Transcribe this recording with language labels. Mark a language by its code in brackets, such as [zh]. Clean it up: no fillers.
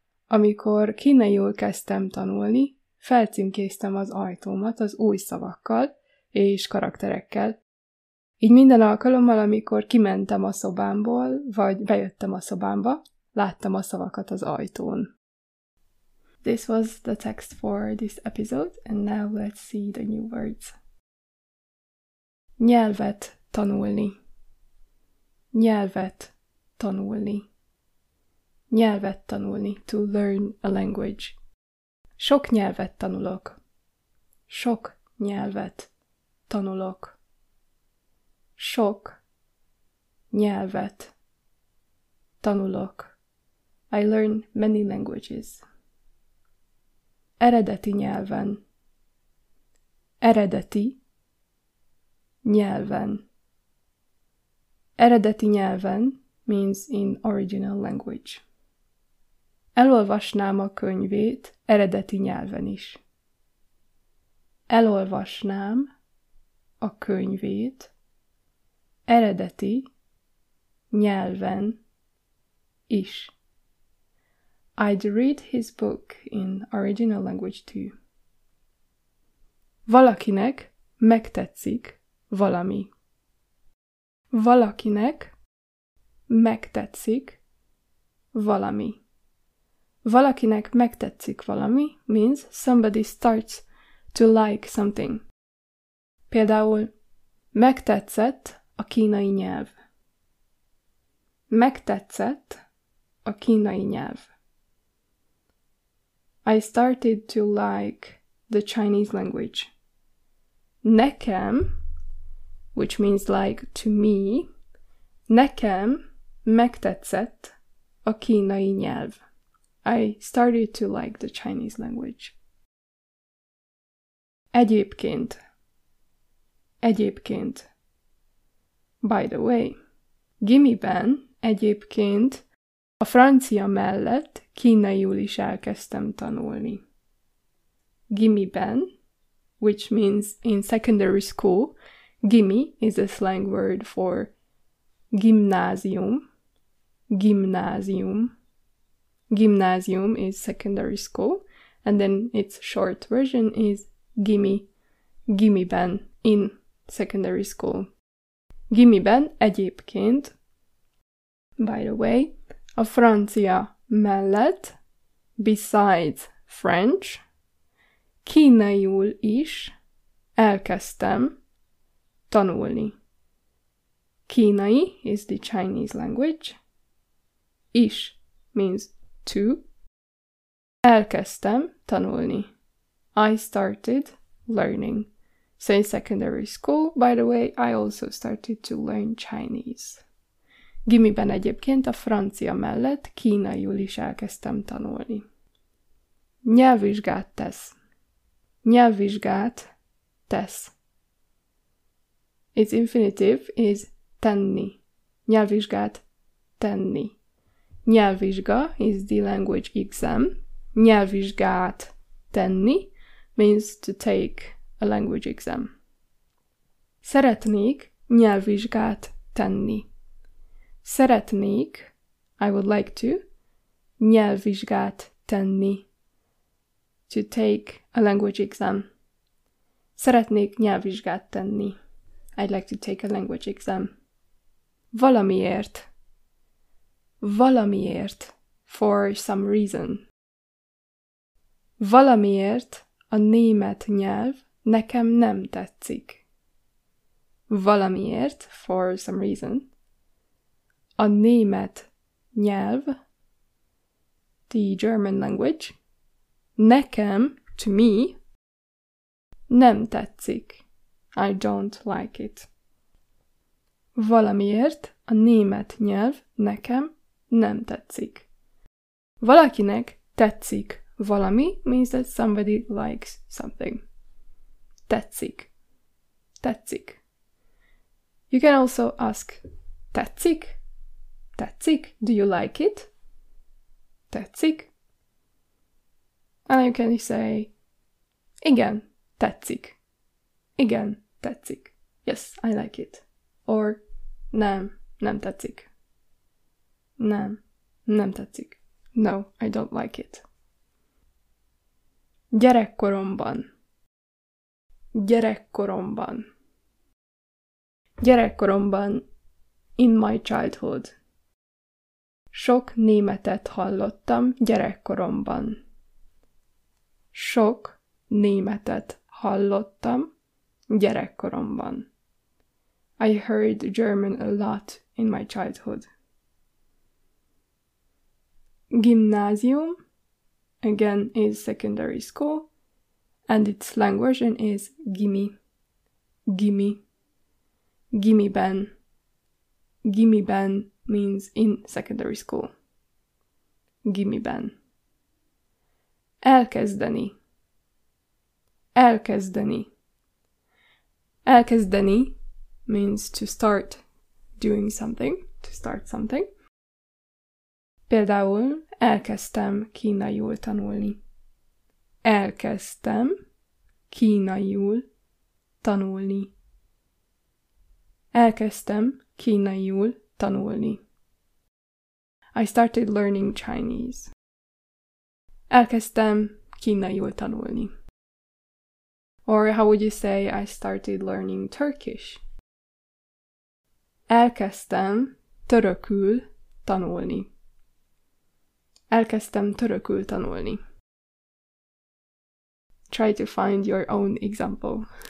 [hu] Amikor kínaiul kezdtem tanulni, felcímkéztem az ajtómat az új szavakkal és karakterekkel. Így minden alkalommal, amikor kimentem a szobámból, vagy bejöttem a szobámba, láttam a szavakat az ajtón. [en] This was the text for this episode, and now let's see the new words. [hu] Nyelvet tanulni. Nyelvet tanulni. Nyelvet tanulni, [en] to learn a language. [hu] Sok nyelvet tanulok. Sok nyelvet tanulok. Sok nyelvet tanulok. [en] I learn many languages. [hu] Eredeti nyelven. Eredeti nyelven. Eredeti nyelven [en] means in original language. [hu] Elolvasnám a könyvét eredeti nyelven is. Elolvasnám a könyvét eredeti nyelven is. [en] I'd read his book in original language too. [hu] Valakinek megtetszik valami. Valakinek megtetszik valami. Valakinek megtetszik valami [en] means somebody starts to like something. [hu] Például megtetszett a kínai nyelv. Megtetszett a kínai nyelv. [en] I started to like the Chinese language. [hu] Nekem, [en] which means like to me, [hu] nekem megtetszett a kínai nyelv. [en] I started to like the Chinese language. [hu] Egyébként. Egyébként. [en] By the way, [hu] gimiben egyébként a francia mellett kínaiul is elkezdtem tanulni. Gimiben, [en] which means in secondary school, gimi is a slang word for gimnázium. Gimnázium. Gimnázium is secondary school, and then its short version is gimi, [hu] gimiben, [en] in secondary school. [hu] Gimiben egyébként, [en] by the way, [hu] a francia mellett, [en] besides French, [hu] kínaiul is elkezdtem tanulni. Kínai [en] is the Chinese language. Is means to. [hu] Elkezdtem tanulni. [en] I started learning. So in secondary school, by the way, I also started to learn Chinese. [hu] Gimiben egyébként a francia mellett kínaiul is elkezdtem tanulni. Nyelvvizsgát tesz. Nyelvvizsgát tesz. [en] Its infinitive is tenni. [hu] Nyelvvizsgát tenni. [en] Nyelvvizsga is the language exam. [hu] Nyelvvizsgát tenni [en] means to take a language exam. [hu] Szeretnék nyelvvizsgát tenni. Szeretnék, [en] I would like to, [hu] nyelvvizsgát tenni. [en] To take a language exam. [hu] Szeretnék nyelvvizsgát tenni. [en] I'd like to take a language exam. [hu] Valamiért. Valamiért. [en] For some reason. [hu] Valamiért a német nyelv nekem nem tetszik. Valamiért, [en] for some reason. [hu] A német nyelv, [en] the German language, [hu] nekem, [en] to me, [hu] nem tetszik. [en] I don't like it. [hu] Valamiért a német nyelv nekem nem tetszik. Valakinek tetszik valami [en] means that somebody likes something. [hu] Tetszik. Tetszik. [en] You can also ask, [hu] tetszik? Tetszik? [en] Do you like it? [hu] Tetszik? [en] And you can say, [hu] igen, tetszik. Igen, tetszik. [en] Yes, I like it. Or, [hu] nem, nem tetszik. Nem, nem tetszik. [en] No, I don't like it. [hu] Gyerekkoromban. Gyerekkoromban. Gyerekkoromban, [en] in my childhood. [hu] Sok németet hallottam gyerekkoromban. Sok németet hallottam gyerekkoromban. [en] I heard German a lot in my childhood. Gymnasium, again, is secondary school, and its slang version is gimi. [hu] Gimi. Gimiben. Gimiben [en] means in secondary school. [hu] Gimiben. Elkezdeni. Elkezdeni. Elkezdeni [en] means to start doing something, to start something. [hu] Például elkezdtem kínaiul tanulni. Elkezdtem kínaiul tanulni. Elkezdtem kínaiul tanulni. [en] I started learning Chinese. [hu] Elkezdtem kínaiul tanulni. [en] Or how would you say I started learning Turkish? [hu] Elkezdtem törökül tanulni. Elkezdtem törökül tanulni. [en] Try to find your own example.